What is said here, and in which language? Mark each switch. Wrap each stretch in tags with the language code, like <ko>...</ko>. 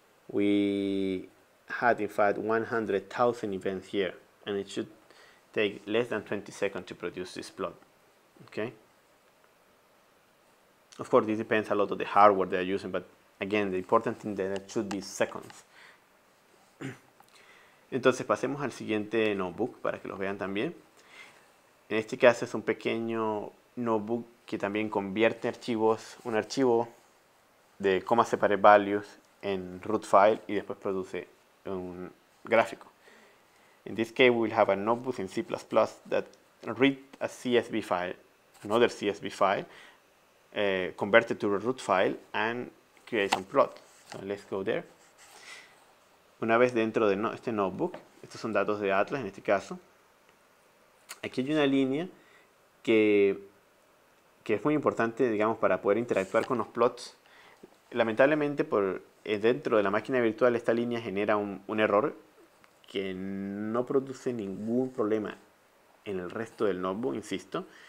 <en>We had in fact 100,000 events here, and it should take less than 20 seconds to produce this plot. Okay. Of course, this depends a lot on the hardware they are using, but again, the important thing that it should be seconds.</en> <es>Entonces pasemos al siguiente notebook para que los vean también. En este caso es un pequeño notebook que también convierte archivos, un archivo de comma separate values en root file y después produce un gráfico.</es> <en>In this case, we will have a notebook in C++ that read a CSV file, another CSV file, convert it to a root file and create a plot. So let's go there.</en> <es>Una vez dentro de no este notebook, estos son datos de Atlas en este caso. Aquí hay una línea que es muy importante, digamos, para poder interactuar con los plots. Lamentablemente, dentro de la máquina virtual, esta línea genera un error que no produce ningún problema en el resto del notebook, insisto.</es>